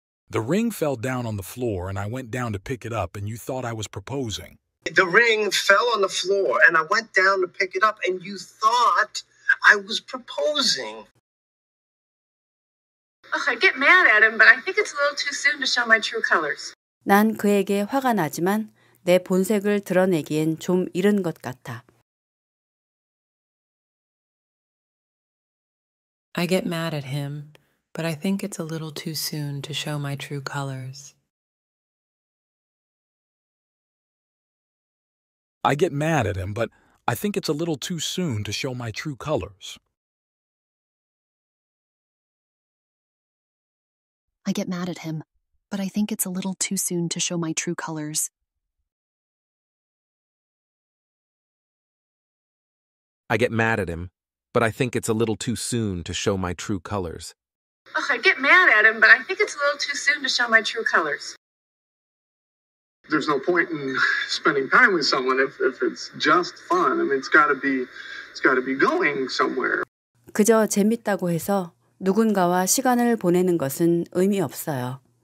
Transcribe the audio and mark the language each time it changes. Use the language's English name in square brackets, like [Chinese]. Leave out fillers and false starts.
[English] The ring fell down on the floor and I went down to pick it up and you thought I was proposing. The ring fell on the floor and I went down to pick it up and you thought I was proposing. Ugh, I get mad at him, but I think it's a little too soon to show my true colors. [Korean] 난 그에게 화가 나지만 내 본색을 드러내기엔 좀 이른 것 같아. [English] I get mad at him. But I think it's a little too soon to show my true colors. I get mad at him, but I think it's a little too soon to show my true colors. I get mad at him, but I think it's a little too soon to show my true colors. I get mad at him, but I think it's a little too soon to show my true colors. Ugh, I get mad at him, but I think it's a little too soon to show my true colors. There's no point in spending time with someone if it's just fun. I mean, it's got to be going somewhere. [Korean] 그저 재밌다고 해서 누군가와 시간을 보내는 것은 의미 없어요.